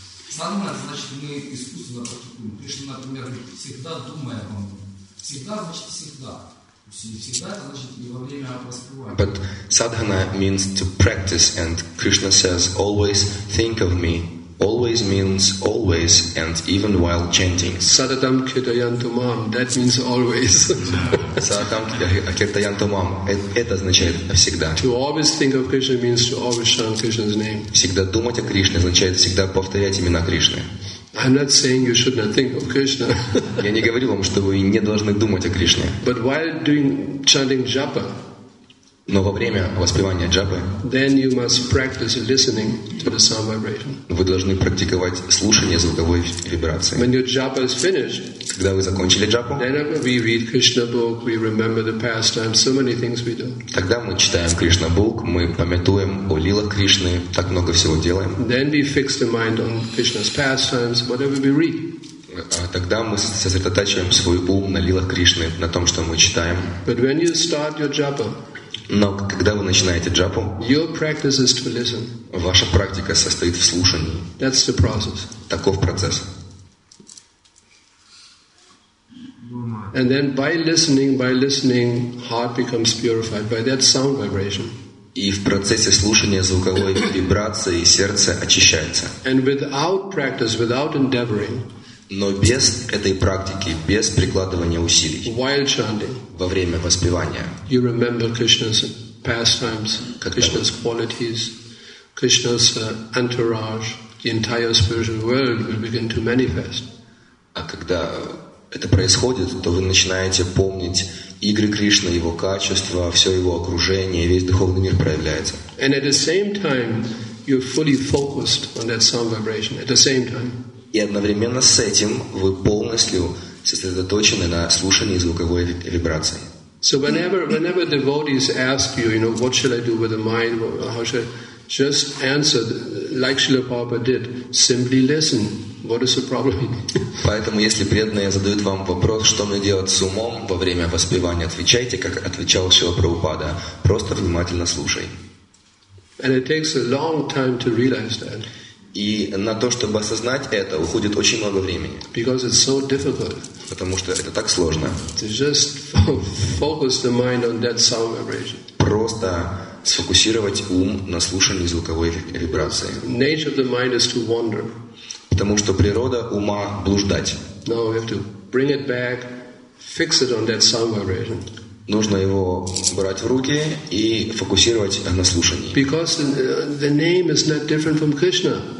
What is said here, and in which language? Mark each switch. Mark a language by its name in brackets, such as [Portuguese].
[Russian] Садхана, значит, мы искусственно практикуем. Кришна, например, всегда думает о нем. Всегда, значит, всегда. Всегда, значит, и во время воспевания. [English] But садхана means to practice, and Krishna says, always think of me. Always means always, and even while chanting. [Sanskrit] Sadatam kirtayantumam, [English] that means always. [Sanskrit] Sadatam kirtayantumam, [Russian] это означает всегда. [English] To always think of Krishna means to always chant Krishna's name. [Russian] Всегда думать о Кришне означает всегда повторять имена Кришны. [English] I'm not saying you should not think of Krishna. [Russian] Я не говорю вам, что вы не должны думать о Кришне. [English] But while doing chanting japa, [Russian] но во время воспевания джапы, [English] then you must practice listening to the sound vibration. [Russian] Вы должны практиковать слушание звуковой вибрации. [English] When your japa is finished, [Russian] когда вы закончили джапу, [English] then we read Krishna book, we remember the pastimes, so many things we do. [Russian] Тогда мы читаем Кришна бук, мы памятуем о лилах Кришны, так много всего делаем. [English] Then we fix the mind on Krishna's pastimes, whatever we read. [Russian] Тогда мы сосредотачиваем свой ум на лилах Кришны, на том, что мы читаем. [English] But when you start your japa, [Russian] но когда вы начинаете джапу, [English] your practice is to listen. [Russian] Ваша практика состоит в слушании. [English] That's the process. [Russian] Таков процесс. [English] And then by listening, heart becomes purified by that sound vibration. [Russian] И в процессе слушания звуковой вибрации сердце очищается. [English] And without practice, without endeavoring, [Russian] но без этой практики, без прикладывания усилий, [English] while chanting, [Russian] во время воспевания, [English] you remember Krishna's pastimes, Krishna's qualities, Krishna's entourage, the entire spiritual world will begin to manifest. [Russian] А когда это происходит, то вы начинаете помнить игры Кришны, его качества, все его окружение, весь духовный мир проявляется. [English] And at the same time, you're fully focused on that sound vibration. At the same time. [Russian] И одновременно с этим вы полностью сосредоточены на слушании звуковой вибрации. [English] So whenever devotees ask you, you know, what should I do with the mind? How should I? Just answer like Srila Prabhupada did. Simply listen. What is the problem? [Russian] Поэтому если преданные задают вам вопрос, что мне делать с умом во время воспевания, отвечайте, как отвечал Шрила Прабхупада. Просто внимательно слушай. [English] And it takes a long time to realize that. [Russian] И на то, чтобы осознать это, уходит очень много времени. [English] Because it's so difficult. [Russian] Потому что это так сложно. [English] To just focus the mind on that sound vibration. [Russian] Просто сфокусировать ум на слушании звуковой вибрации. [English] Nature of the mind is to wander. [Russian] Потому что природа ума блуждать. [English] No, we have to bring it back, fix it on that sound vibration. [Russian] Нужно его брать в руки и фокусировать на слушании. [English] Because the name is not different from Krishna.